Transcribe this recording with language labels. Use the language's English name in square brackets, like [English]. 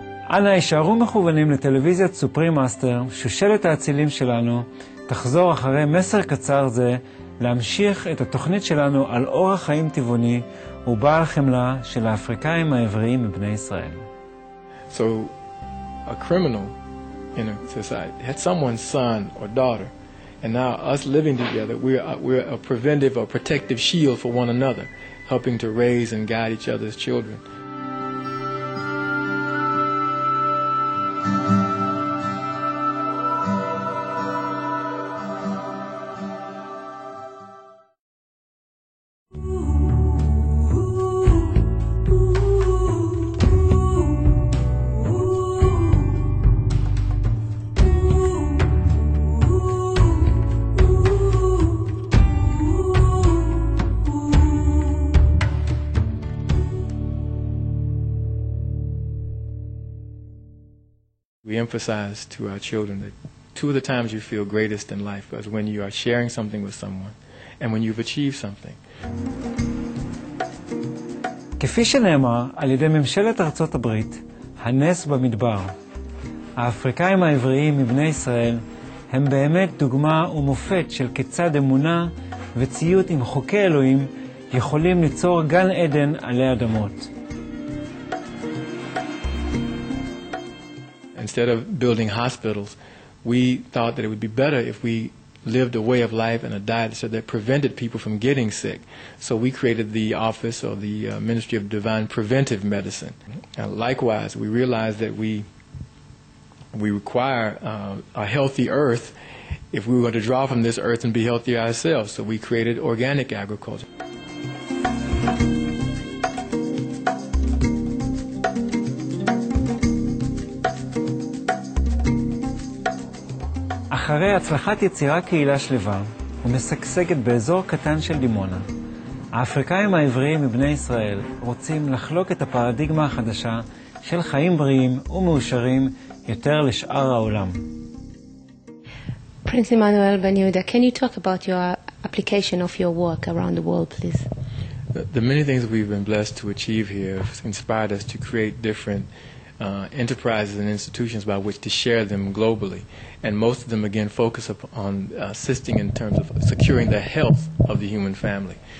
[Hebrew] אנא הישארו מכוונים לטלוויזיית סופרים מאסטר, שושלת האצילים שלנו, תחזור אחרי מסר קצר זה להמשיך את התוכנית שלנו על אורח חיים טבעוני ובעל חמלה של האפריקאים העבריים מבני ישראל. [English] So, a criminal in a society had someone's son or daughter, and now us living together, we're a preventive or protective shield for one another, helping to raise and guide each other's children. Emphasize to our children that two of the times you feel greatest in life is when you are sharing something with someone and when you've achieved something. [Hebrew] כפי שנאמר על ידי ממשלת ארצות הברית, הנס במדבר. האפריקאים העבריים מבני ישראל הם באמת דוגמה ומופת של כיצד אמונה וציות עם חוקי אלוהים יכולים ליצור גן עדן עלי אדמות. [English] Instead of building hospitals, we thought that it would be better if we lived a way of life and a diet so that prevented people from getting sick. So we created the office or the Ministry of Divine Preventive Medicine. And likewise, we realized that we require a healthy earth if we were going to draw from this earth and be healthy ourselves. So we created organic agriculture. [Hebrew] אחרי הצלחת יצירה קהילה שלווה ומסגשגת באזור קטן של דימונה, האפריקאים העבריים מבני ישראל רוצים לחלוק את הפרדיגמה החדשה של חיים בריאים ומאושרים יותר לשאר העולם. [English] Prince Emmanuel Ben Yehuda, can you talk about your application of your work around the world, please? The many things we've been blessed to achieve here have inspired us to create different enterprises and institutions by which to share them globally, and most of them again focus on assisting in terms of securing the health of the human family.